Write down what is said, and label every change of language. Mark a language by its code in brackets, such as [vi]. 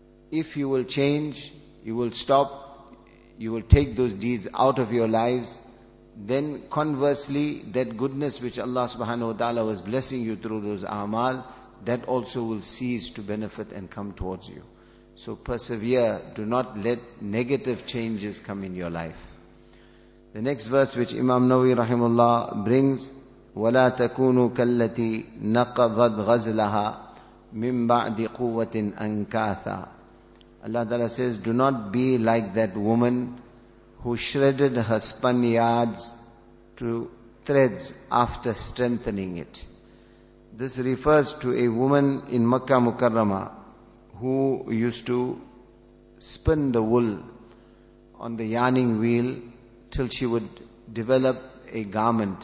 [en] If you will change, you will stop, you will take those deeds out of your lives, then conversely, that goodness which Allah subhanahu wa ta'ala was blessing you through those a'mal, that also will cease to benefit and come towards you. So persevere, do not let negative changes come in your life. The next verse which Imam Nawawi rahimullah brings, [ar] وَلَا تَكُونُوا كَالَّتِي نَقَضَتْ غَزْلَهَا مِنْ بَعْدِ قُوَّةٍ أَنْكَاثَ. [en] Allah Ta'ala says, do not be like that woman who shredded her spun yards to threads after strengthening it. This refers to a woman in Makkah Mukarramah who used to spin the wool on the yarning wheel till she would develop a garment.